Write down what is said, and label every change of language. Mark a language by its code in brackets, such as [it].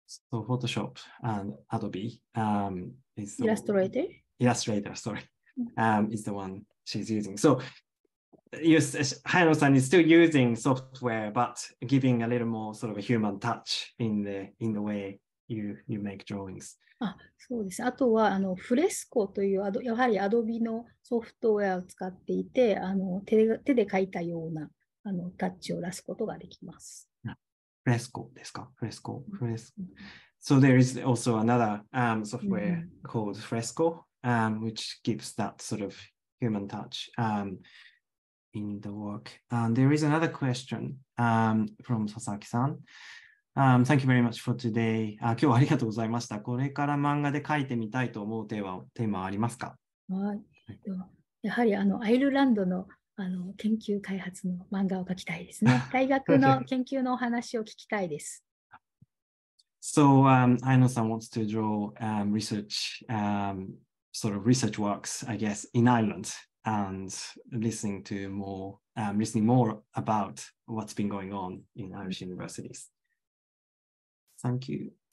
[en] So Photoshop and Adobe is Illustrator? Illustrator, sorry, is the one she's using. So Hayano-san is still using software, but giving a little more sort of a human touch in the way you make drawings. Ah, so this. [ja] あとはあのフレスコというやはりアドビのソフトウェアを使っていて、あの手で描いたようなあのタッチを出すことができます。フレスコですか？フレスコ、フレスコ。 [en] So there is also another software called Fresco, which gives that sort of human touch in the work. And there is another question from Sasaki-san. Thank you very much for today. [ja] 今日はありがとうございました。これから漫画で描いてみたいと思うテーマありますか？はい。やはりあのアイルランドのあの研究開発の漫画を描きたいですね。大学の研究のお話を聞きたいです。 [en] So, Hayano-san wants to draw research, sort of research works, I guess, in Ireland and listening more about what's been going on in Irish universities. Thank you.